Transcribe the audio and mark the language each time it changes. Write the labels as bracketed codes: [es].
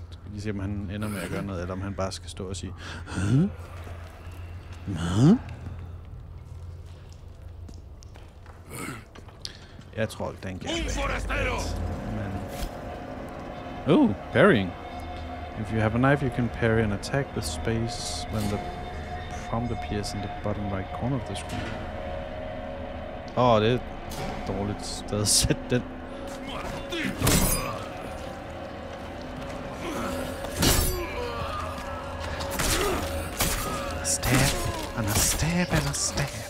[da] Lige se, om han ender med at gøre noget, eller om han bare skal stå og sige... Jeg tror ikke, den kan være rigtigt, men... parrying! [en] If you have a knife, you can parry an attack with space when the prompt appears in the bottom right corner of the screen. [da] Det er dårligt sted at sætte den. [en] Yes. And a stab and a stab.